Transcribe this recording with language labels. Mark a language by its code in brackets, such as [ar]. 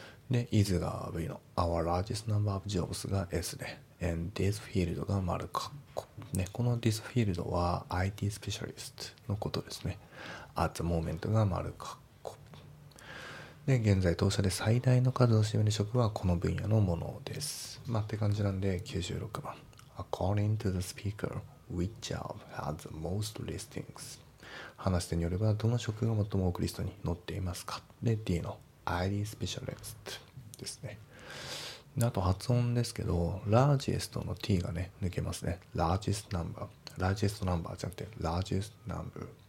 [ja] で、is が V の [en] Our largest number of jobs [ja] が S で [en] and this field [ja] が丸括弧。ね、この this field は IT specialist のことですね。 [en] at the moment [ja] が丸括弧。で、現在当社で最大の数を占める職はこの分野のものです。まあ、って感じなんで96番。 [en] According to the speaker, which job has the most listings? [ja] 話し手によれば、どの職が最も多くリストに載っていますか？で、D の ID Specialist ですね。あと発音ですけど、Largest の T がね、抜けますね。Largest Number。 Largest Number じゃなくて、Largest Number。